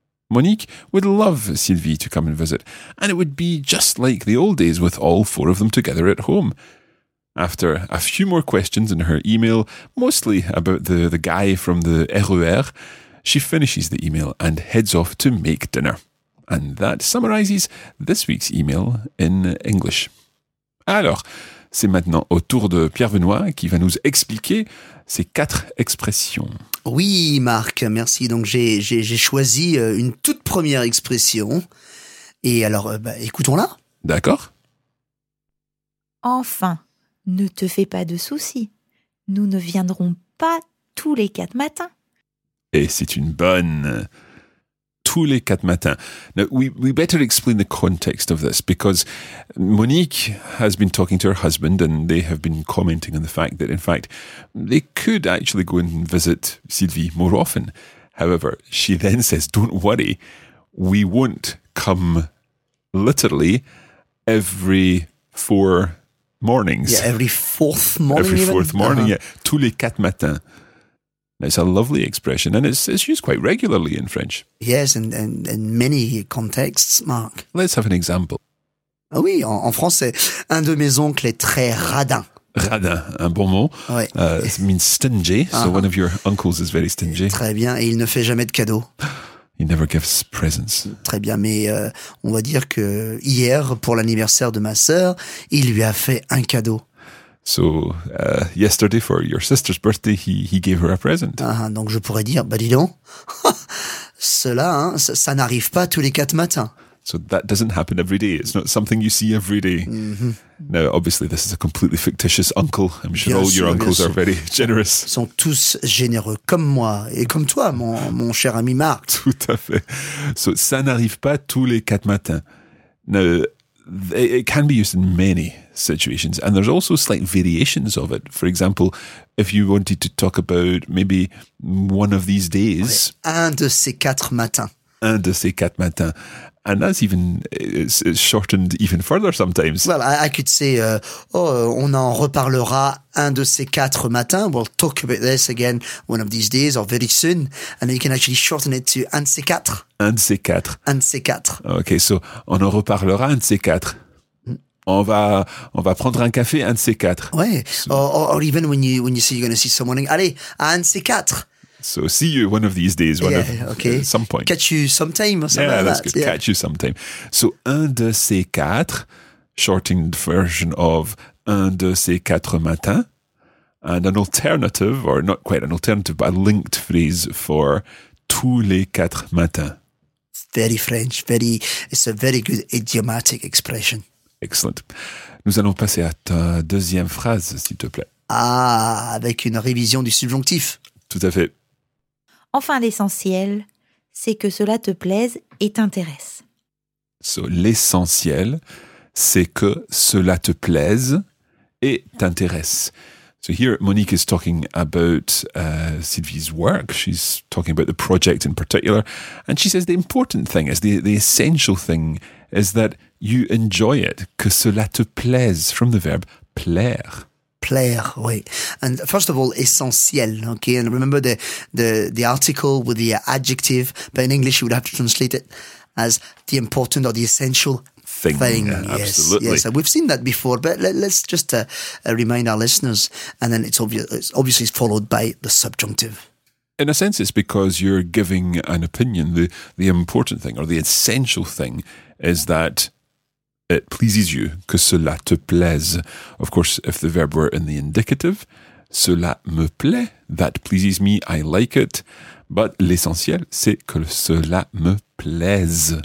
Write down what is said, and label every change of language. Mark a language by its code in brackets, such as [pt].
[en] Monique would love Sylvie to come and visit, and it would be just like the old days with all four of them together at home. After a few more questions in her email, mostly about the guy from the RER, she finishes the email and heads off to make dinner. And that summarizes this week's email in English. [fr] Alors, c'est maintenant au tour de Pierre Benoît qui va nous expliquer ces quatre expressions. Oui, Marc, merci. Donc j'ai choisi une toute première expression. Et alors, écoutons-la. D'accord. Enfin. Ne te fais pas de soucis, nous ne viendrons pas tous les quatre matins. Et c'est une bonne. Tous les quatre matins. [en] Now, we better explain the context of this, because Monique has been talking to her husband and they have been commenting on the fact that, in fact, they could actually go and visit Sylvie more often. However, she then says, don't worry, we won't come literally every four mornings. Yeah, every fourth morning. Every fourth morning, uh-huh. Yeah. [fr] Tous les quatre matins. [en] It's a lovely expression, and it's used quite regularly in French. Yes, and in many contexts, Marc. Let's have an example. [fr] Ah oui, en français. Un de mes oncles est très radin. Radin, un bon mot. Ouais. [en] It means stingy, so uh-huh. One of your uncles is very stingy. [fr] Très bien, et il ne fait jamais de cadeaux. [en] He never gives presents. [fr] Très bien, mais on va dire que hier, pour l'anniversaire de ma sœur, il lui a fait un cadeau. [en] So, yesterday for your sister's birthday, he gave her a present. [fr] Donc je pourrais dire, bah dis donc, cela, hein, ça n'arrive pas tous les quatre matins. [en] So that doesn't happen every day. It's not something you see every day. Mm-hmm. Now, obviously, this is a completely fictitious uncle. I'm sure [fr] bien [en] all [fr] sûr, [en] your uncles are very generous. [fr] Ils sont tous généreux, comme moi et comme toi, mon cher ami Marc. Tout à fait. So ça n'arrive pas tous les quatre matins. [en] Now, it can be used in many situations. And there's also slight variations of it. For example, if you wanted to talk about maybe one of these days. [fr] Un de ces quatre matins. Un de ces quatre matins. [en] And that's even, it's shortened even further sometimes. Well, I could say, [fr] on en reparlera un de ces quatre matins. [en] We'll talk about this again one of these days or very soon. And then you can actually shorten it to [fr] un de ces quatre. Un de ces quatre. Un de ces quatre. Okay, so on en reparlera un de ces quatre. On va prendre un café un de ces quatre. [en] Ouais, or even when you say you're going to see someone, [fr] allez, à un de ces quatre. [en] So see you one of these days, at some point. Catch you sometime or something yeah, like that's that. Good. Yeah, catch you sometime. So un de ces quatre, shortened version of [fr] un de ces quatre matins, [en] and an alternative, or not quite an alternative, but a linked phrase for [fr] tous les quatre matins. [en] Very French, very, it's a very good idiomatic expression. Excellent. [fr] Nous allons passer à ta deuxième phrase, s'il te plaît. Ah, avec une révision du subjonctif. Tout à fait. Enfin, l'essentiel, c'est que cela te plaise et t'intéresse. So, l'essentiel, c'est que cela te plaise et t'intéresse. [en] So here Monique is talking about Sylvie's work. She's talking about the project in particular. And she says the important thing is, the essential thing is that you enjoy it. [fr] Que cela te plaise, [en] from the verb [fr] plaire. Plaire, oui. [en] And first of all, essentiel, okay? And remember the article with the adjective, but in English you would have to translate it as the important or the essential thing. Absolutely. Yes, yes. We've seen that before, but let's just remind our listeners, and then it's obviously followed by the subjunctive. In a sense, it's because you're giving an opinion. The important thing or the essential thing is that it pleases you, [fr] que cela te plaise. [en] Of course, if the verb were in the indicative, [fr] cela me plaît, [en] that pleases me, I like it. But [fr] l'essentiel, c'est que cela me plaise.